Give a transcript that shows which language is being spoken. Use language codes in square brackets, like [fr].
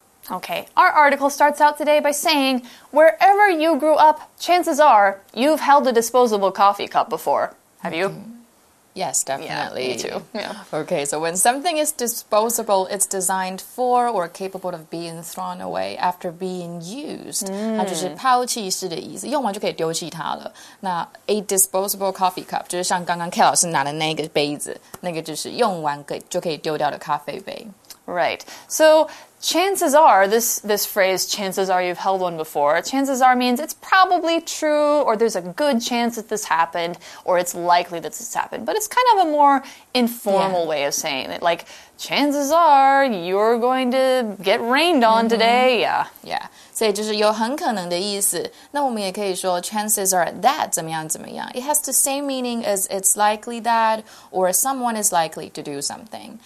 [en] Okay, our article starts out today by saying, wherever you grew up, chances are you've held a disposable coffee cup before. Have you? Yes, definitely. Yeah, me too. Yeah. Okay, so when something is disposable, it's designed for or capable of being thrown away after being used. Mm. [zh] 它就是抛弃式的意思，用完就可以丢弃它了。那 [en] a disposable coffee cup [zh] 就是像刚刚 K 老师拿的那个杯子，那个就是用完就可以丢掉的咖啡杯。 [en] Right. So chances are, this phrase, chances are you've held one before, chances are means it's probably true, or there's a good chance that this happened, or it's likely that this happened. But it's kind of a more informal way of saying it. Like, chances are you're going to get rained on today. Yeah. Yeah. [zh] 所以就是有很可能的意思。那我们也可以说 [en] chances are that [zh] 怎么样怎么样。 [en] It has the same meaning as it's likely that, or someone is likely to do something.